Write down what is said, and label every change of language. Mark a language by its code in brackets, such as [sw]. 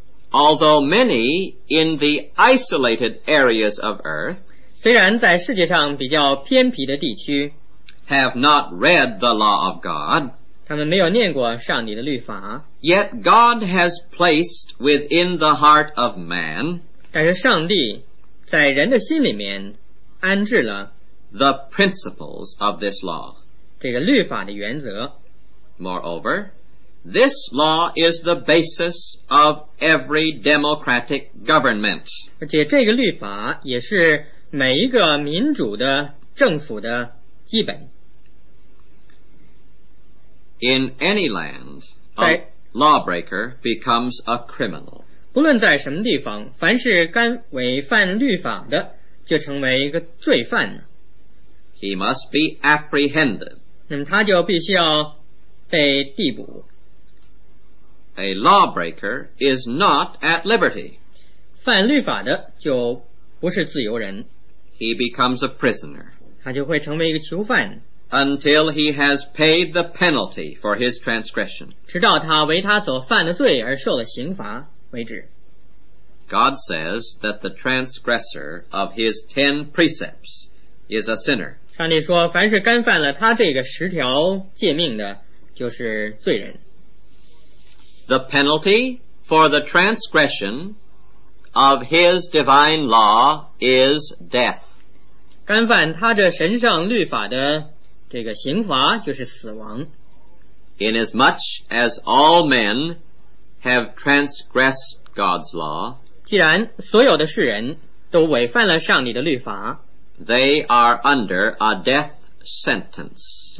[en] Although many in the isolated areas of earth, [zh] 虽然在世界上比较偏僻的地区 [en] have not read the law of God, [zh] 他们没有念过上帝的律法。 [en] Yet God has placed within the heart of man, [zh] 但是上帝在人的心里面安置了 [en] the principles of this law, [zh] 这个律法的原则。 [en] Moreover, this law is the basis of every democratic government. [zh] 而且这个律法也是每一个民主的政府的基本。 [en] In any land, a lawbreaker becomes a criminal. [zh] 不论在什么地方，凡是敢违反律法的，就成为一个罪犯。 [en] He must be apprehended. [zh] 那么他就必须要被逮捕。 [en] A lawbreaker is not at liberty. [zh] 犯律法的就不是自由人。 [en] He becomes a prisoner. [zh] 他就会成为一个囚犯。 [en] Until he has paid the penalty for his transgression. [zh] 直到他为他所犯的罪而受了刑罚为止。 [en] God says that the transgressor of his ten precepts is a sinner. [zh] 上帝说，凡是干犯了他这个十条诫命的，就是罪人。 [en] The penalty for the transgression of his divine law is death. [zh] 干犯他这神圣律法的这个刑罚就是死亡。 [en] Inasmuch as all men have transgressed God's law, [zh] 既然所有的世人都违反了上帝的律法， [en] they are under a death sentence.